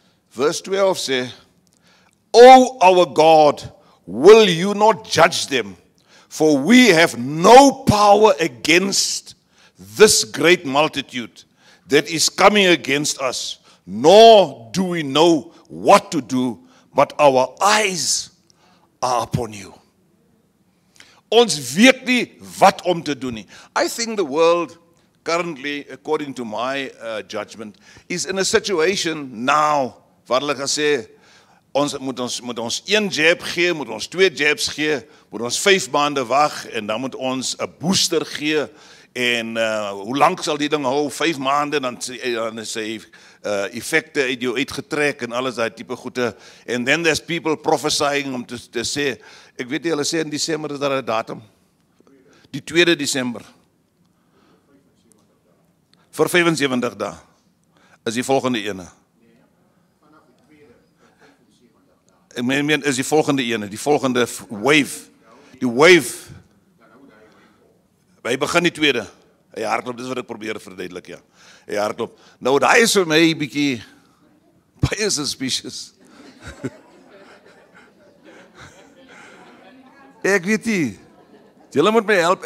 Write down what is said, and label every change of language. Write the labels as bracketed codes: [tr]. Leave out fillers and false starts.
[en] Verse 12 sê, O our God, will you not judge them? For we have no power against this great multitude that is coming against us, nor do we know what to do, but our eyes are upon you. [af] Ons weet nie wat om te doen nie. [en] I think the world currently, according to my judgment, is in a situation now, [af] wat hulle gesê, ons moet ons een jab gee, moet ons twee jabs gee, moet ons 5 maande wag en dan moet ons 'n booster gee. En hoe lank sal die ding hou? 5 maande, dan is hy effecte uit jou uitgetrek en alles daai tipe goede. [en] And then there's people prophesying [af] om te sê, ek weet nie, hulle sê in December is daar 'n datum. Die 2 December. Vir 75 dae is die volgende ene. Is die volgende ene, die volgende wave. Die wave. Hy begin die tweede. Hy hardloop, dis wat ek probeer verduidelik, ja. Hy hardloop. Nou, daar is vir my bietjie baie suspicious. Ek weet nie. Julle moet my help.